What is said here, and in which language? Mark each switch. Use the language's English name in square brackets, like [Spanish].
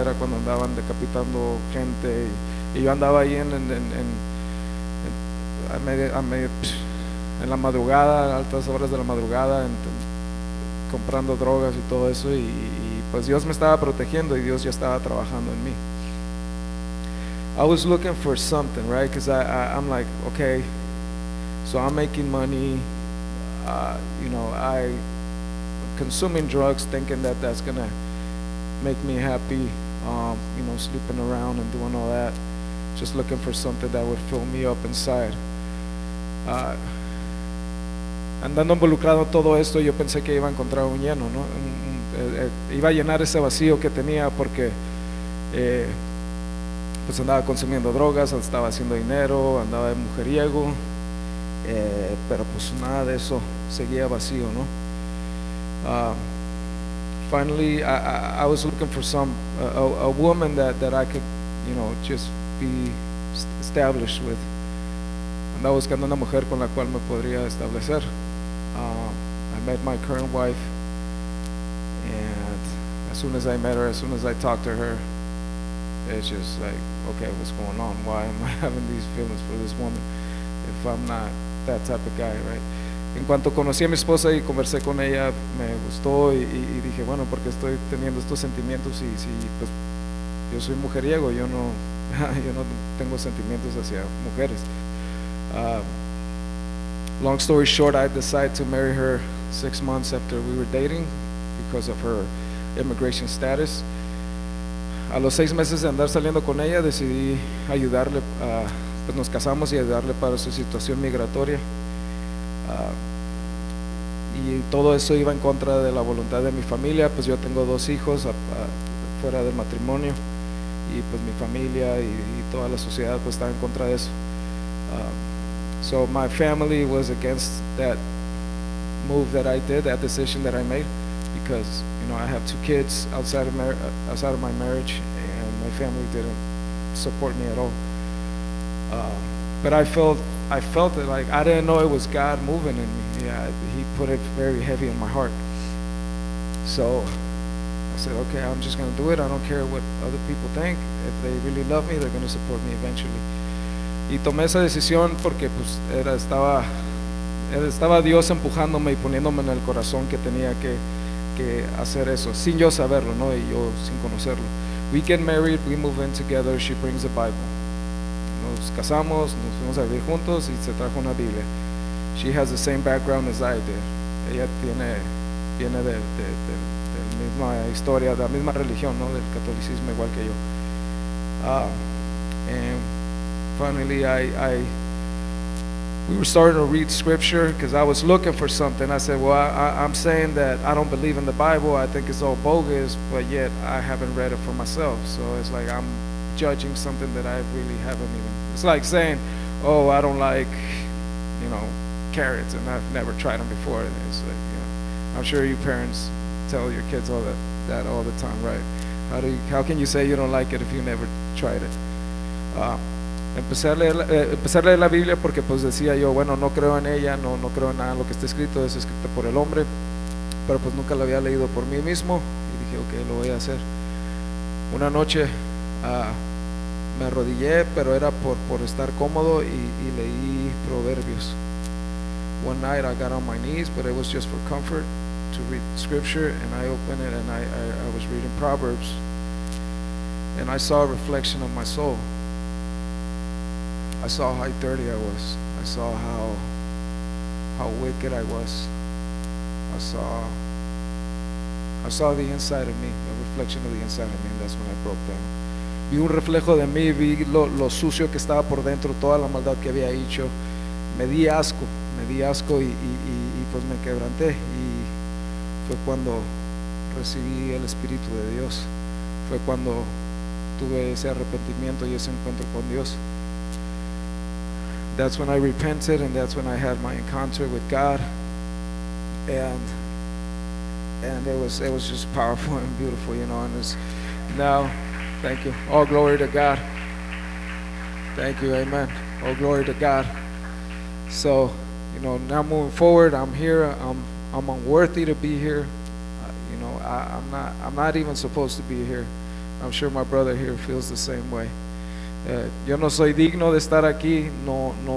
[Spanish] Era cuando andaban decapitando gente, y yo andaba ahí en la madrugada, altas horas de la madrugada, comprando drogas y todo eso, y pues Dios me estaba protegiendo y Dios ya estaba trabajando en mí. [English] I was looking for something, right? Because I'm like, okay, so I'm making money, you know, I'm consuming drugs, thinking that that's gonna make me happy, you know, sleeping around and doing all that, just looking for something that would fill me up inside. [Spanish] Andando involucrado en todo esto, yo pensé que iba a encontrar un lleno, ¿no? Iba a llenar ese vacío que tenía porque pues andaba consumiendo drogas, estaba haciendo dinero, andaba de mujeriego, pero pues nada de eso, seguía vacío, ¿no? [English] Finally, I was looking for a woman that I could, you know, just be established with. [Spanish] Andaba buscando una mujer con la cual me podría establecer. [English] I met my current wife, and as soon as I met her, as soon as I talked to her, it's just like, okay, what's going on? Why am I having these feelings for this woman if I'm not that type of guy, right? [Spanish] En cuanto conocí a mi esposa y conversé con ella, me gustó y dije, bueno, ¿por qué estoy teniendo estos sentimientos? Y si pues, yo soy mujeriego, yo no tengo sentimientos hacia mujeres. [English] Long story short, I decided to marry her 6 months after we were dating because of her immigration status. [Spanish] A los 6 meses de andar saliendo con ella, decidí ayudarle, pues nos casamos y ayudarle para su situación migratoria. Y todo eso iba en contra de la voluntad de mi familia, pues yo tengo 2 hijos fuera del matrimonio, y pues mi familia y toda la sociedad pues estaba en contra de eso. [English] So my family was against that move that I did, that decision that I made, because, you know, I have 2 kids outside of my marriage, and my family didn't support me at all. But I felt that, like, I didn't know it was God moving in me. Yeah, he put it very heavy in my heart. So I said, okay, I'm just going to do it. I don't care what other people think. If they really love me, they're going to support me eventually. [Spanish] Y tomé esa decisión porque pues estaba Dios empujándome y poniéndome en el corazón que tenía que hacer eso, sin yo saberlo, ¿no? Y yo sin conocerlo. [English] We get married, we move in together, she brings the Bible. [Spanish] Nos casamos, nos fuimos a vivir juntos y se trajo una Biblia. [English] She has the same background as I did. [Spanish] Ella viene de la misma historia, de la misma religión, ¿no? Del catolicismo, igual que yo. [English] Finally, we were starting to read scripture because I was looking for something. I said, well, I'm saying that I don't believe in the Bible. I think it's all bogus, but yet I haven't read it for myself. So it's like I'm judging something that I really haven't even. It's like saying, oh, I don't like, you know, carrots and I've never tried them before. And it's like, you know, I'm sure you parents tell your kids all that all the time, right? How can you say you don't like it if you never tried it? [Spanish] Empecé a leer la Biblia porque pues decía yo, bueno, no creo en ella, no creo en nada de lo que está escrito, es escrito por el hombre, pero pues nunca la había leído por mí mismo y dije, okay, lo voy a hacer. Una noche me arrodillé, pero era por estar cómodo y leí Proverbios. [English] One night I got on my knees, but it was just for comfort to read scripture, and I opened it and I was reading Proverbs, and I saw a reflection of my soul. I saw how dirty I was. I saw how wicked I was. I saw the inside of me, a reflection of the inside of me, and that's when I broke down. [Spanish] Vi un reflejo de mí, vi lo sucio que estaba por dentro, toda la maldad que había hecho. Me di asco y pues me quebranté. Y fue cuando recibí el Espíritu de Dios. Fue cuando tuve ese arrepentimiento y ese encuentro con Dios. [English] That's when I repented, and that's when I had my encounter with God, and it was just powerful and beautiful, you know. And it's now, thank you. All glory to God. Thank you, amen. All glory to God. So, you know, now moving forward, I'm here. I'm unworthy to be here. You know, I'm not even supposed to be here. I'm sure my brother here feels the same way. [Spanish] Yo no soy digno de estar aquí, no.